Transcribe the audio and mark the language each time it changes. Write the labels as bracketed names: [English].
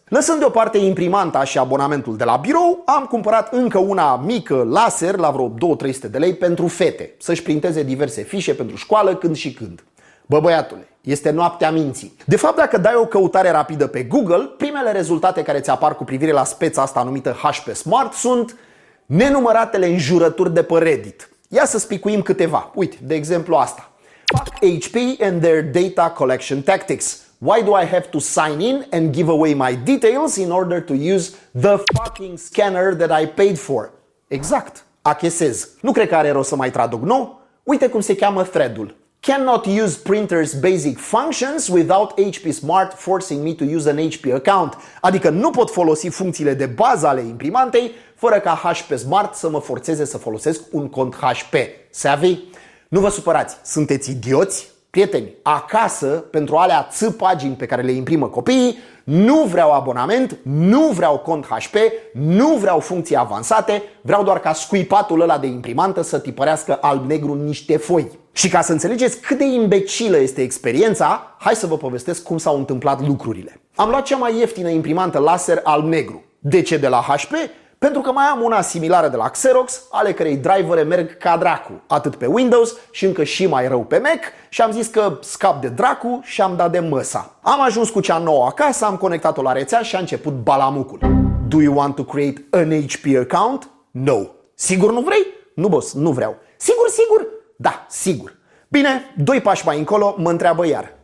[Romanian] Lăsând deoparte imprimanta și abonamentul de la birou, am cumpărat încă una mică laser la vreo 200-300 de lei pentru fete să-și printeze diverse fișe pentru școală când și când. Bă, băiatule, este noaptea minții. De fapt, dacă dai o căutare rapidă pe Google, primele rezultate care ți apar cu privire la speța asta numită HP Smart sunt nenumăratele înjurături de pe Reddit. Ia să spicuim câteva. Uite, de exemplu asta. [English] Fuck HP and their data collection tactics. Why do I have to sign in and give away my details in order to use the fucking scanner that I paid for? [Romanian] Exact. Achesez. Nu cred că are rost să mai traduc, nu? Uite cum se cheamă thread-ul. [English] Cannot use printer's basic functions without HP Smart forcing me to use an HP account. [Romanian] Adică nu pot folosi funcțiile de bază ale imprimantei fără ca HP Smart să mă forțeze să folosesc un cont HP. Savvy? Nu vă supărați, sunteți idioți? Prieteni, acasă, pentru alea ță pagini pe care le imprimă copiii, nu vreau abonament, nu vreau cont HP, nu vreau funcții avansate, vreau doar ca scuipatul ăla de imprimantă să tipărească alb-negru niște foi. Și ca să înțelegeți cât de imbecilă este experiența, hai să vă povestesc cum s-au întâmplat lucrurile. Am luat cea mai ieftină imprimantă laser alb-negru. De ce de la HP? Pentru că mai am una similară de la Xerox, ale cărei drivere merg ca dracu, atât pe Windows și încă și mai rău pe Mac, și am zis că scap de dracu și am dat de măsa. Am ajuns cu cea nouă acasă, am conectat-o la rețea și a început balamucul. [English] Do you want to create an HP account? No. [Romanian] Sigur nu vrei? Nu, boss, nu vreau. Sigur, sigur? Da, sigur. Bine, doi pași mai încolo, mă întreabă iar.